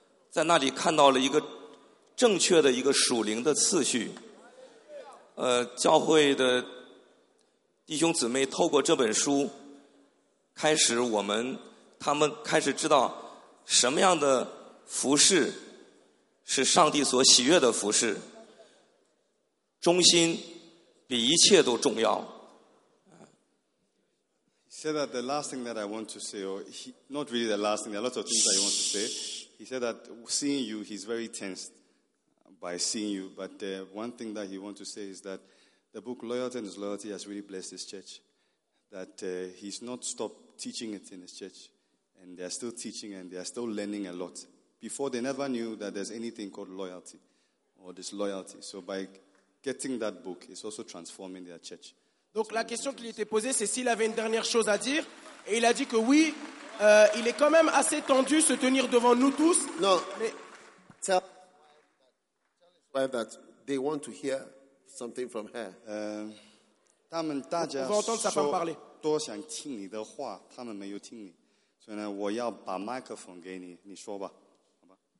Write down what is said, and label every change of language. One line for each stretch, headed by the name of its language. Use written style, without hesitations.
Chinese: 在那里看到了一个正确的一个属灵的次序 教会的 弟兄姊妹透过这本书，开始他们开始知道什么样的服事是上帝所喜悦的服事。忠心比一切都重要。
English: He said that the last thing that I want to say, or he, not really the last thing, there are lots of things that I want to say. He said that seeing you, he's very tensed by seeing you. But one thing that he wants to say is that the book Loyalty and Disloyalty has really blessed his church. That he's not stopped teaching it in his church. And they're still teaching and they're still learning a lot. Before, they never knew that there's anything called loyalty or disloyalty. So by getting that book, it's also transforming their church.
French: Donc la question qui lui était posée, c'est s'il avait une dernière chose à dire. Et il a dit que oui, il est quand même assez tendu se tenir devant nous tous. Non, mais...
English: tell his wife that they want to hear something from her.
Chinese: 他们大家说多想听你的话，他们没有听你，所以呢，我要把麦克风给你，你说吧，好吧。